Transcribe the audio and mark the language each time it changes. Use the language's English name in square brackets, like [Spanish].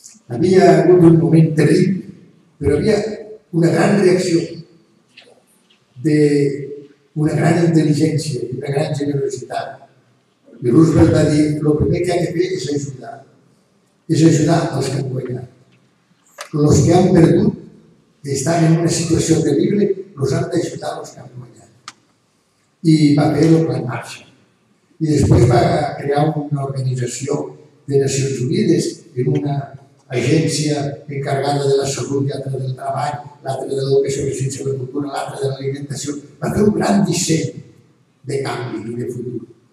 [Catalan] Havia hagut un moment terrible, però havia una gran reacció d'una gran intel·ligència i una gran generositat. I Roosevelt va dir, el primer que ha de fer és ajudar els que han guanyat. Els que han perdut [Spanish] de estar en una situación terrible, los han de ayudar los que han guanyat. [Catalan] I va fer la Plan Marshall. I després va crear una organització de Nacions Unides en una agència encarregada de la salut, l'altra del treball, l'altra de l'educació, la ciència, la cultura, l'altra de l'alimentació. Va fer un gran disseny de canvi i de futur.